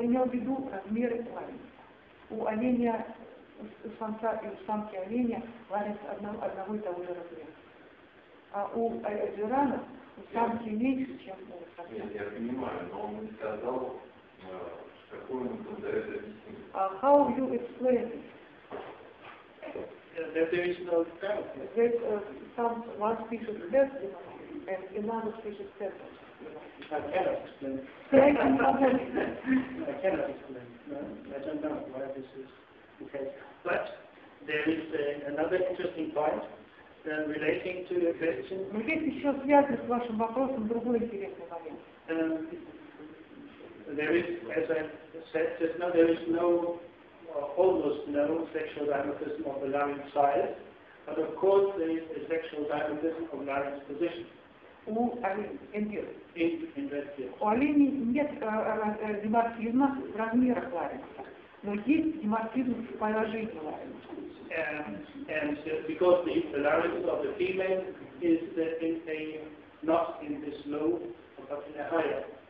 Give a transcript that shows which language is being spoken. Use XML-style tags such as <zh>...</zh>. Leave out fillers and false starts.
<ru>имел в виду размеры ларинг. У оленя у самца и у самки оленя ларинг одного и того же размера. А у джирана у самки меньше, чем у самца. Нет, я понимаю, но он сказал, какой он подает объяснение.</ru> <en>How you explain it? There is no doubt. That some one species has and another species has. I cannot explain. I cannot explain. No, I don't know why this is. Okay. But there is another interesting point relating to the question.</en> <ru>Но есть еще связанный с вашим вопросом другой интересный момент.</ru> <en>There is, as I said just now, there is no, almost no sexual dimorphism of the larynx size, but of course there is a sexual dimorphism of larynx position.</en> <ru>У оленей,</ru> <en>in red field.</en> <ru>У оленей нет димарфизма в размерах ларинца, но есть димарфизм в положении ларинца.</ru> <en>And because the larynx of the female is in a, not in this low, but in a higher.</en>